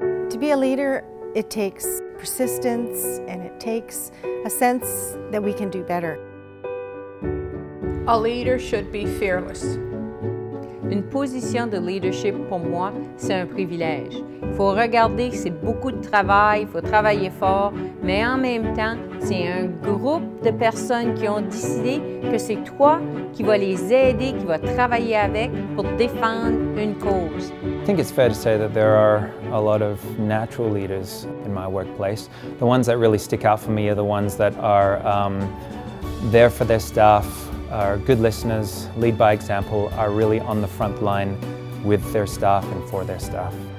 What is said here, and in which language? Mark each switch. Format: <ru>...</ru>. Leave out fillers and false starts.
<en>To be a leader, it takes persistence and it takes a sense that we can do better. A leader should be fearless.</en> <fr>Une position de leadership pour moi, c'est un privilège. Il faut regarder, c'est beaucoup de travail, il faut travailler fort, mais en même temps, c'est un groupe de personnes qui ont décidé que c'est toi qui vas les aider, qui vas travailler avec pour défendre une cause.</fr> <en>I think it's fair to say that there are a lot of natural leaders in my workplace. The ones that really stick out for me are the ones that are there for their staff, are good listeners, lead by example, are really on the front line with their staff and for their staff.</en>